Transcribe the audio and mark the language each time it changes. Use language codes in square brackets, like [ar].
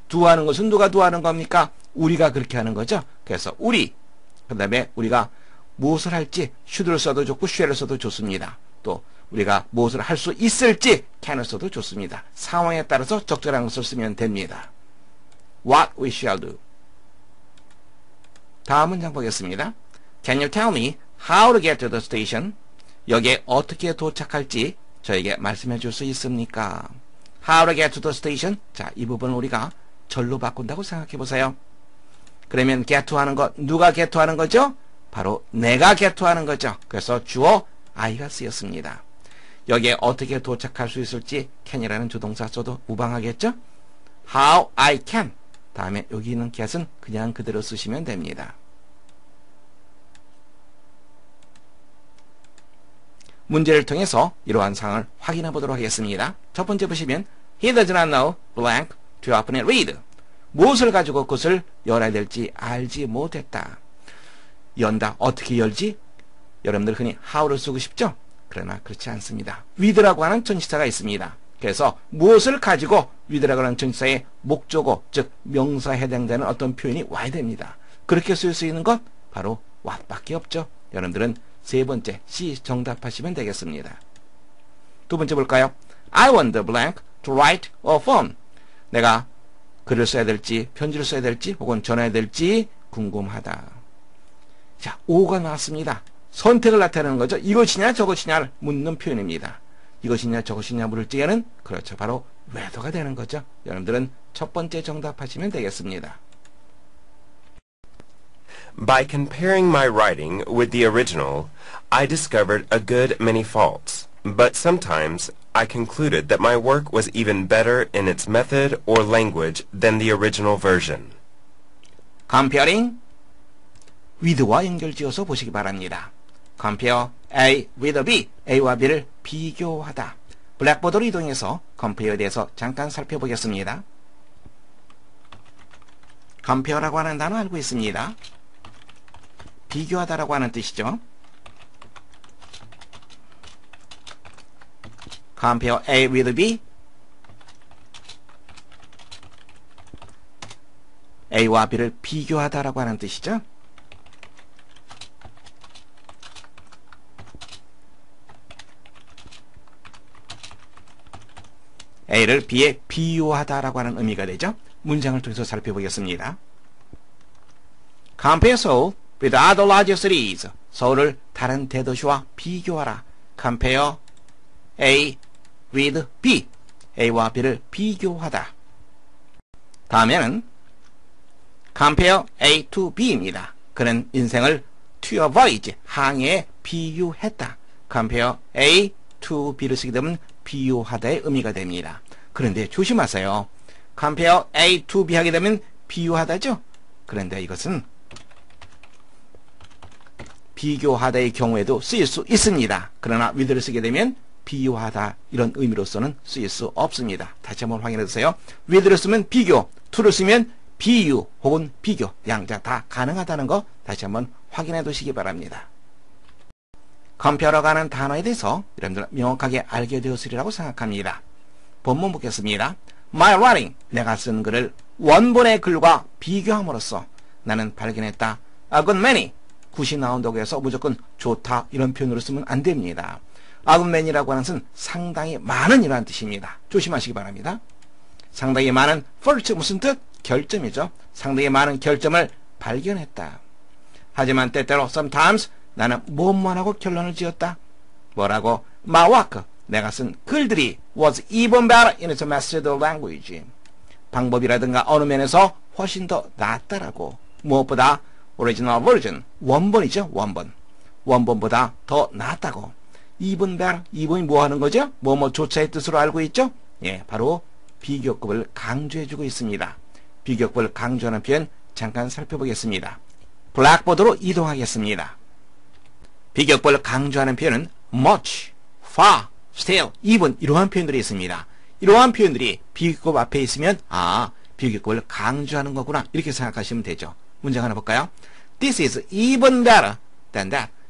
[ko] Do 하는 것은 누가 do 하는 겁니까? 우리가 그렇게 하는 거죠. 그래서 우리. 그 다음에 우리가 무엇을 할지 should를 써도 좋고 shall을 써도 좋습니다. 또 우리가 무엇을 할 수 있을지 can을 써도 좋습니다. 상황에 따라서 적절한 것을 쓰면 됩니다. [en] What we shall do. [ko] 다음 문장 보겠습니다. [en] Can you tell me how to get to the station? [ko] 여기에 어떻게 도착할지 저에게 말씀해 줄 수 있습니까? [en] How to get to the station? [ko] 자, 이 부분을 우리가 절로 바꾼다고 생각해 보세요. 그러면 get to 하는 것, 누가 get to 하는 거죠? 바로 내가 get to 하는 거죠. 그래서 주어 I가 쓰였습니다. 여기에 어떻게 도착할 수 있을지 can이라는 조동사 써도 무방하겠죠? [en] How I can. [ko] 다음에 여기 있는 get은 그냥 그대로 쓰시면 됩니다. 문제를 통해서 이러한 상황을 확인해 보도록 하겠습니다. 첫 번째 보시면 [en] He does not know blank to open and read. [ko] 무엇을 가지고 그것을 열어야 될지 알지 못했다. 연다, 어떻게 열지? 여러분들 흔히 how를 쓰고 싶죠? 그러나 그렇지 않습니다. with라고 하는 전치사가 있습니다. 그래서 무엇을 가지고 with라고 하는 전치사의 목적어, 즉 명사에 해당되는 어떤 표현이 와야 됩니다. 그렇게 쓸 수 있는 것 바로 what밖에 없죠. 여러분들은 세 번째, C 정답하시면 되겠습니다. 두 번째 볼까요? [en] I want the blank to write a phone. [ko] 내가 글을 써야 될지, 편지를 써야 될지, 혹은 전화해야 될지 궁금하다. 자, O가 나왔습니다. 선택을 나타내는 거죠. 이것이냐 저것이냐를 묻는 표현입니다. 이것이냐 저것이냐 물을 때에는 그렇죠. 바로 whether가 되는 거죠. 여러분들은 첫 번째 정답하시면 되겠습니다. [en] By comparing my writing with the original, I discovered a good many faults, but sometimes I concluded that my work was even better in its method or language than the original version. [ko] Comparing with와 연결 지어서 보시기 바랍니다. [en] Compare A with B. [ko] A와 B를 비교하다. 블랙보드로 이동해서 compare에 대해서 잠깐 살펴보겠습니다. Compare라고 하는 단어 알고 있습니다. 비교하다라고 하는 뜻이죠. [en] Compare A with B. [ko] A와 B를 비교하다라고 하는 뜻이죠. A를 B에 비유하다라고 하는 의미가 되죠. 문장을 통해서 살펴보겠습니다. [en] Compare Seoul with other larger cities. [ko] 서울을 다른 대도시와 비교하라. [en] Compare A with B. [ko] A와 B를 비교하다. 다음에는 Compare A to B입니다. 그는 인생을 to avoid, 항해에 비유했다. Compare A to B를 쓰게 되면 비유하다의 의미가 됩니다. 그런데 조심하세요. Compare A to B 하게 되면 비유하다죠? 그런데 이것은 비교하다의 경우에도 쓰일 수 있습니다. 그러나 with를 쓰게 되면 비유하다 이런 의미로서는 쓰일 수 없습니다. 다시 한번 확인해주세요. with를 쓰면 비교, to를 쓰면 비유 혹은 비교, 양자 다 가능하다는 거 다시 한번 확인해두시기 바랍니다. Compare라고 하는 단어에 대해서 여러분들 명확하게 알게 되었으리라고 생각합니다. 본문 보겠습니다. My writing, 내가 쓴 글을 원본의 글과 비교함으로써 나는 발견했다. A good many, 굿이 나온다고 해서 무조건 좋다 이런 표현으로 쓰면 안 됩니다. A good many라고 하는 것은 상당히 많은 이라는 뜻입니다. 조심하시기 바랍니다. 상당히 많은 fault, 무슨 뜻? 결점이죠. 상당히 많은 결점을 발견했다. 하지만 때때로 sometimes 나는 뭐뭐 하고 결론을 지었다. 뭐라고? [en] My work, [ko] 내가 쓴 글들이 [en] was even better in its method of language. [ko] 방법이라든가 어느 면에서 훨씬 더 낫다라고. 무엇보다 original version, 원본이죠. 원본. 원본보다 더 낫다고. even better, even이 뭐하는 거죠? 뭐뭐 조차의 뜻으로 알고 있죠? 예, 바로 비교급을 강조해주고 있습니다. 비교급을 강조하는 표현 잠깐 살펴보겠습니다. 블랙보드로 이동하겠습니다. 비교급을 강조하는 표현은 much, far, still, even 이러한 표현들이 있습니다. 이러한 표현들이 비교급 앞에 있으면 아, 비교급을 강조하는 거구나 이렇게 생각하시면 되죠. 문장 하나 볼까요? [en] This is even better than that.